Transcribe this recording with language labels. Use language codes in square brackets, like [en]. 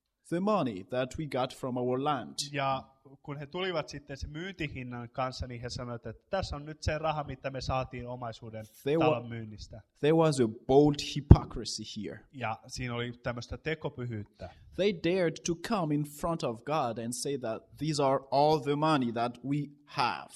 [en] the money that we got from our land. [fi] Ja kun he tulivat sitten sen myyntihinnan kanssa, niin he sanoivat, että tässä on nyt se raha, mitä me saatiin omaisuuden talon myynnistä. [en] There was a bold hypocrisy here. [fi] Ja siinä oli tämmöistä tekopyhyyttä. [en] They dared to come in front of God and say that these are all the money that we have.